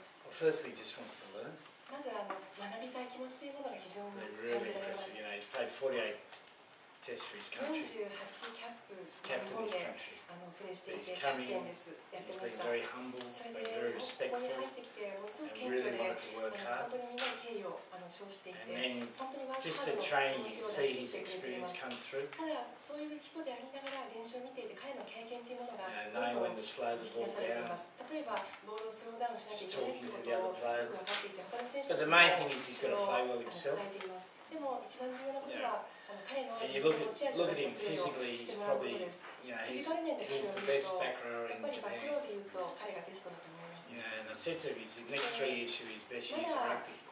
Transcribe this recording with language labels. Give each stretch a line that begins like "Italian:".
English: Firstly, he just wants to learn. Really impressive. You know, he's played 48 tests for his country. He's captained his country. He's coming in. He's been very humble, been very respectful, and really wanted to work hard.
Japanese: 栄誉を称していて、本当にワールドカップの気持ちを出し切ってくれています。ただ、そういう人でありながら練習を見ていて、彼の経験というものがどんどん引き出されています。例えば、ボールをスローダウンしなきゃいけないということを分かっていて、他の選手たちもそれを伝えています。でも、一番重要なことは、
English: And you look at him physically, he's probably, he's the best back rower in Japan. Yeah, and I said to him, he's the next 3 years should be his best year in rugby.